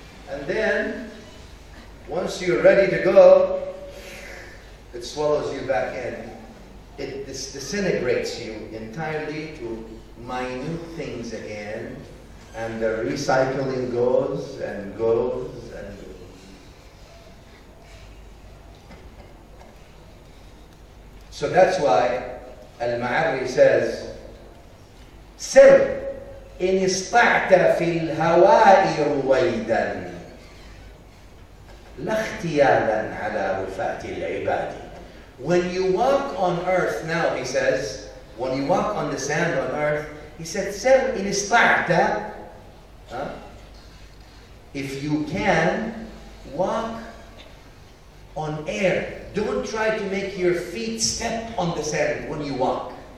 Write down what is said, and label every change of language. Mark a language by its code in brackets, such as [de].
[en] And then, once you're ready to go, it swallows you back in. It disintegrates you entirely to minute things again, and the recycling goes and goes and goes. So that's why Al-Ma'arri says, [ar] سر إن استعت في الهواء رويدا لا اختيالا على رفات العباد. [en] When you walk on earth now, he says, when you walk on the sand on earth, he said, [ar] سَلْ إِنِ اسْطَعْتَ, [en] if you can, walk on air. Don't try to make your feet step on the sand when you walk.